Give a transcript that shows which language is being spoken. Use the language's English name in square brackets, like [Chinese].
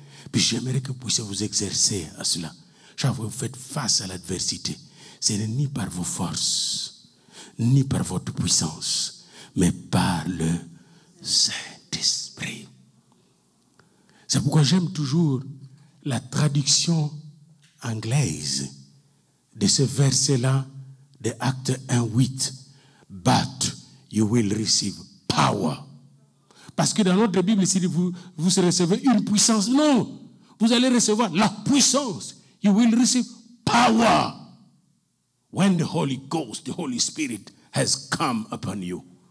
[French] Puis j'aimerais que vous puissiez vous exercer à cela. Chaque fois que vous faites face à l'adversité, ce n'est ni par vos forces, ni par votre puissance, mais par le Saint-Esprit. C'est pourquoi j'aime toujours la traduction anglaise de ce verset-là, de Actes 1:8. [English] But you will receive power. [French] Parce que dans notre Bible, si vous recevez une puissance, non, vous allez recevoir la puissance. [English] You will receive power when the Holy Ghost, the Holy Spirit has come upon you.